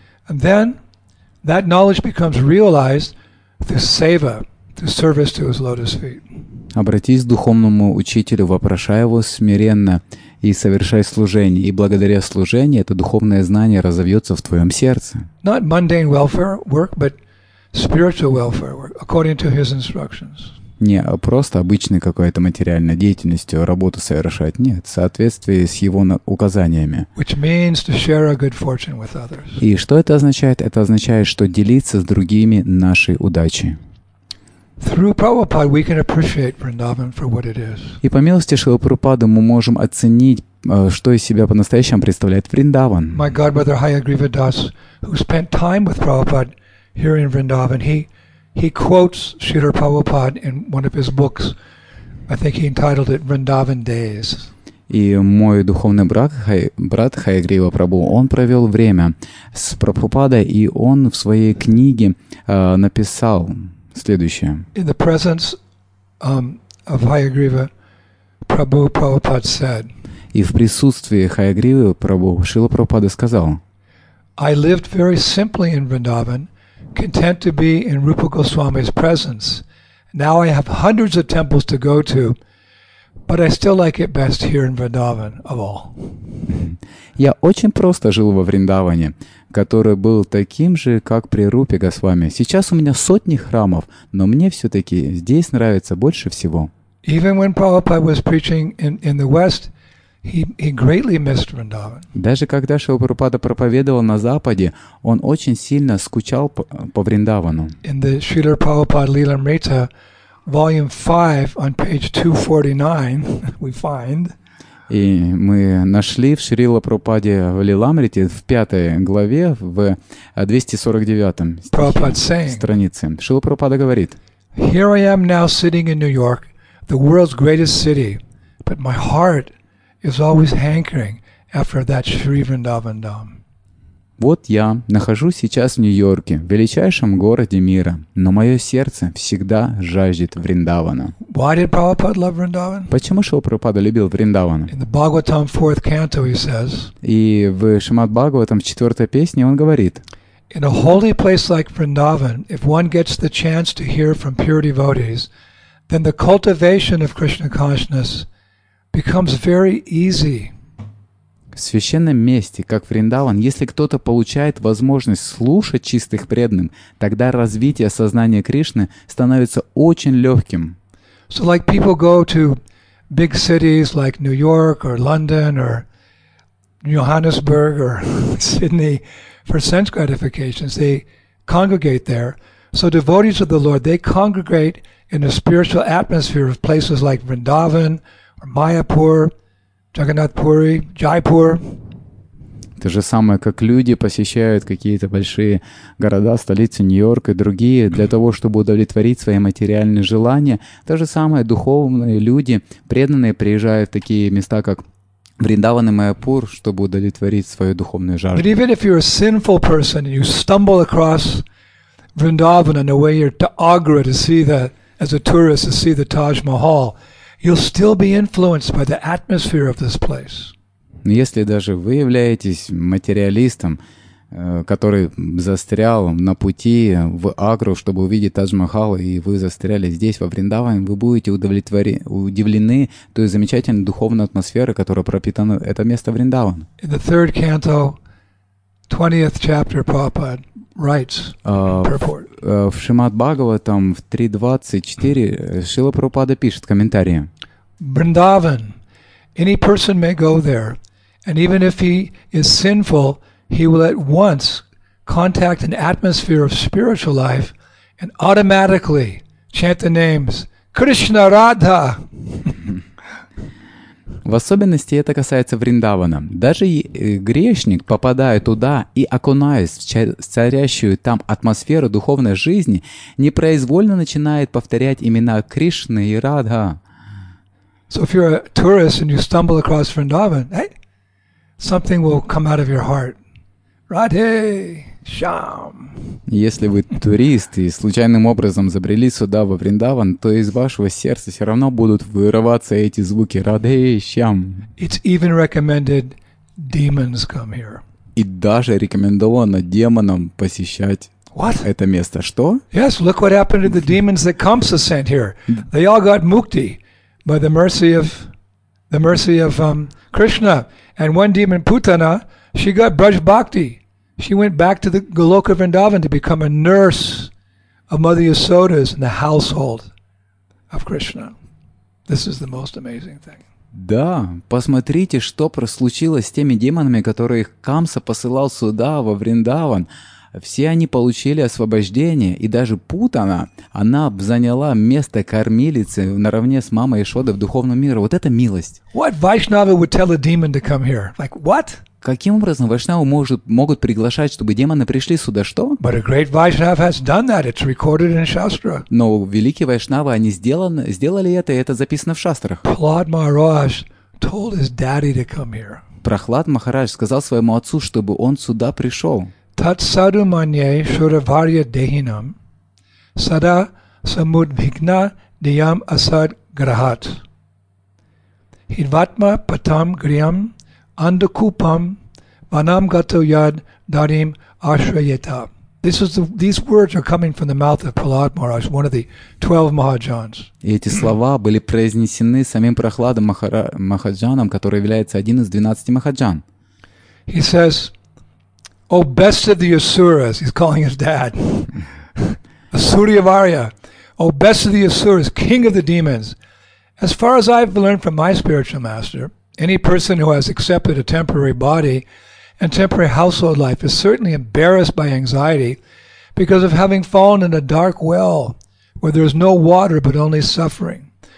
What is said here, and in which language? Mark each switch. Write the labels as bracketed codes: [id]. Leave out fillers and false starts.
[en] And then that knowledge becomes realized through seva, through service to his lotus feet. [ru] Обратись к духовному учителю, вопрошай его смиренно и совершай служение. И благодаря служению это духовное знание разовьется в твоем сердце. [en] Not mundane welfare work, but spiritual welfare work, according to his instructions. [ru] Не просто обычной какой-то материальной деятельностью работу совершать, нет, в соответствии с его указаниями. [en] Which means to share our good fortune with others. [ru] И что это означает? Это означает, что делиться с другими нашей удачей. [en] Through Prabhupada we can appreciate Vrindavan for what it is. [ru] И по милости Шрилы Прабхупады мы можем оценить, что из себя по-настоящему представляет Вриндаван. [en] My godbrother Hayagriva Das, who spent time with Prabhupada here in Vrindavan, He quotes Śrīla Prabhupāda in one of his books. I think he entitled it Vrindavan Days. [ru] И мой духовный брат Хайагрива Прабху, он провел время с Прабхупадой, и он в своей книге написал следующее. [en] In the presence of Hayagriva Prabhu, Prabhupada said. [ru] И в присутствии Хайагривы Прабху Шрила Прабхупада сказал. [en] I lived very simply in Vrindavan. Content to be in Rupa Goswami's presence. Now I have hundreds of temples to go to, but I still like it best here in Vrindavan of all. [ru] Я очень просто жил во Вриндаване, который был таким же, как при Рупе Госвами. Сейчас у меня сотни храмов, но мне все-таки здесь нравится больше всего. [en] Even when Prabhupada was preaching in the West, He greatly missed Vrindavan. [ru] Даже когда Шрила Прабхупада проповедовал на Западе, он очень сильно скучал по Вриндавану. [en] In the Śrīla Prabhupāda Līlāmṛta, volume 5, on page 249, we find. [ru] И мы нашли в Шрила Прабхупаде в Лиламрите в пятой главе в 249 странице. Шрила Прабхупада говорит: [en] Here I am now sitting in New York, the world's greatest city, but my heart is always hankering after that Sri Vrindavan Dham. [ru] Вот я нахожусь сейчас в Нью-Йорке, величайшем городе мира, но мое сердце всегда жаждет Вриндавана. [en] Why did Prabhupada love Vrindavan? [ru] Почему Шрила Прабхупада любил Вриндаван? [en] In the Bhagavatam 4th canto he says. [ru] И в Шримад Бхагаватам в 4-й песне он говорит. [en] In a holy place like Vrindavan, if one gets the chance to hear from pure devotees, then the cultivation of Krishna consciousness becomes very easy. [ru] В священном месте, как Вриндаван, если кто-то получает возможность слушать чистых преданных, тогда развитие сознания Кришны становится очень легким. [en] So like people go to big cities like New York or London or Johannesburg or Sydney for sense gratifications, they congregate there. So devotees of the Lord, they congregate in a spiritual atmosphere of places like Vrindavan, Майяпур, Джаганатпури, Джайпур. [ru] То же самое, как люди посещают какие-то большие города, столицы Нью-Йорк и другие, для того, чтобы удовлетворить свои материальные желания. То же самое, духовные люди, преданные, приезжают в такие места, как Вриндаван и Майяпур, чтобы удовлетворить свою духовную жажду. [en] But even if you're a sinful person and you stumble across Vrindavan on the way you're to Agra to see the, as a tourist, to see the Taj Mahal, you'll still be influenced by the atmosphere of this place. [ru] Если даже вы являетесь материалистом, который застрял на пути в Агру, чтобы увидеть Тадж-Махал, и вы застряли здесь, во Вриндаване, вы будете удивлены той замечательной духовной атмосферой, которая пропитана это место Вриндаван. [en] In the third canto, 20th chapter, Prabhupada writes purport. [ru] В Шримад Бхагаватам в 3.24 Шрила Прабхупада пишет комментарии. [en] Vrindavan Any person may go there, and even if he is sinful, he will at once contact an atmosphere of spiritual life and automatically chant the names Krishna Radha. [ru] В особенности это касается Вриндавана. Даже грешник, попадая туда и окунаясь в царящую там атмосферу духовной жизни, непроизвольно начинает повторять имена Кришны и Радха. [en] So if you're a tourist and you stumble across Vrindavan, hey, something will come out of your heart. Radhe, Shyam. [ru] Если вы турист и случайным образом забрели сюда, во Вриндаван, то из вашего сердца все равно будут вырываться эти звуки. [en] Radhe, Shyam. It's even recommended demons come here. [ru] И даже рекомендовано демонам посещать [en] What? [ru] Это место. Что? [en] Yes, look what happened to the demons that Kamsa sent here. They all got mukti. By the mercy of Krishna. And one demon, Putana, she got Braj Bhakti. She went back to the Goloka Vrindavan to become a nurse of Mother Yasoda's in the household of Krishna. This is the most amazing thing. [ru] Да, посмотрите, что случилось с теми демонами, которые Камса посылал сюда, во Вриндаван. Все они получили освобождение, и даже Путана, она заняла место кормилицы наравне с мамой Ишодой в духовном мире. Вот это милость. [en] What Vaishnava would tell a demon to come here? Like what? [ru] Каким образом Вайшнавы могут приглашать, чтобы демоны пришли сюда? Что? [en] But a great Vaishnava has done that. It's recorded in Shastra. [ru] Но великие Вайшнавы, они сделали это, и это записано в Шастрах. [en] Prahlad Maharaj told his daddy to come here. [ru] Прохлад Махарадж сказал своему отцу, чтобы он сюда пришел. [sa] Tat sadu manye shuravarya dehinam sada samud bhigna diyam asad grahat hidvatma patam griyam andakupam vanam gato yad darim ashrayeta. [en] These words are coming from the mouth of Prahlad Maharaj, one of the 12 Mahajans. [ru] И эти слова были произнесены самим Прохладом Махаджаном, который является один из 12 Махаджан. [en] He says, O best of the Asuras, he's calling his dad, Asuryavarya, O best of the Asuras, king of the demons, as far as I've learned from my spiritual master, any person who has accepted a temporary body and temporary household life is certainly embarrassed by anxiety because of having fallen in a dark well where there is no water but only suffering.